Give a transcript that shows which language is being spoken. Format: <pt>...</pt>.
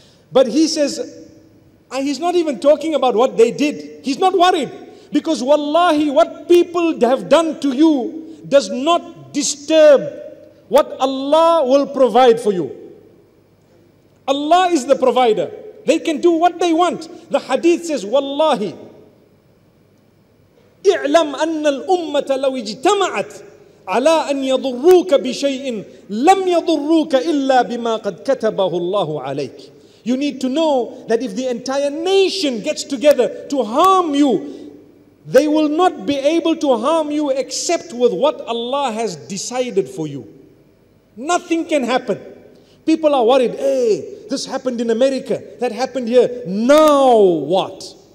<en>But he says, he's not even talking about what they did. He's not worried. Because wallahi, what people have done to you does not disturb what Allah will provide for you. Allah is the provider. They can do what they want. The hadith says, wallahi,</en> <ar>اعلم أن الأمة لو اجتمعت على أن يضروك بشيء لم يضروك إلا بما قد كتبه الله عليك.</ar> <en>You need to know that if the entire nation gets together to harm you, they will not be able to harm you except with what Allah has decided for you. Nothing can happen. People are worried, hey, this happened in America, that happened here, now what?</en>